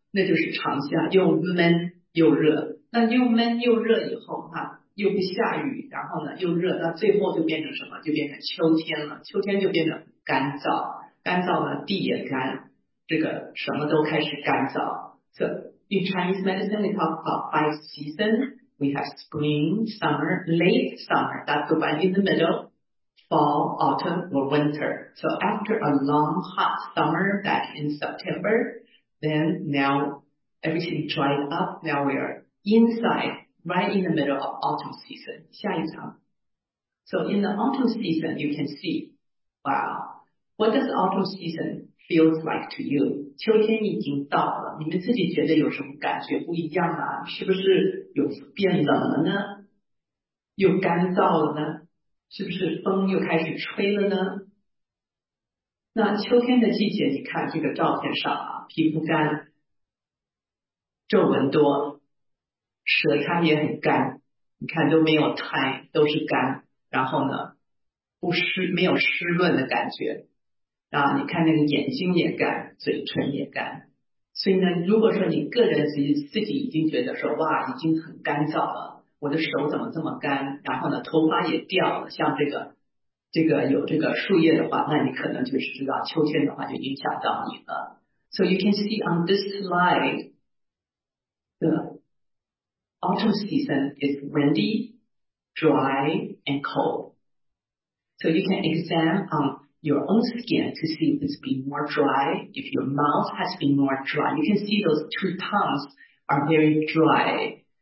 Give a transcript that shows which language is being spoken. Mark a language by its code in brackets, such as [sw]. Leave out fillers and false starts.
[zh] 那就是长夏，又闷又热。那又闷又热以后哈，又不下雨，然后呢又热，那最后就变成什么？就变成秋天了。秋天就变成干燥，干燥呢地也干，这个什么都开始干燥。 [en] So in Chinese medicine, we talk about five seasons. We have spring, summer, late summer. That's the one in the middle. Fall, autumn, or winter. So after a long hot summer back in September, then now everything dried up. Now we are inside, right in the middle of autumn season. [zh] 下一场。 [en] So in the autumn season, you can see, wow, what does autumn season feel like to you? [zh] 秋天已经到了，你们自己觉得有什么感觉不一样啊？是不是有变冷了呢？又干燥了呢？是不是风又开始吹了呢？那秋天的季节，你看这个照片上啊，皮肤干，皱纹多，舌苔也很干，你看都没有苔，都是干，然后呢不湿，没有湿润的感觉，然后你看那个眼睛也干，嘴唇也干。所以呢，如果说你个人自己已经觉得说哇已经很干燥了，我的手怎么这么干，然后呢头发也掉了，像这个有这个树叶的话，那你可能就是知道秋天的话就影响到你了。 [en] So you can see on this slide, the autumn season is windy, dry and cold. So you can examine on your own skin to see if it's been more dry. If your mouth has been more dry, you can see those two tongues are very dry.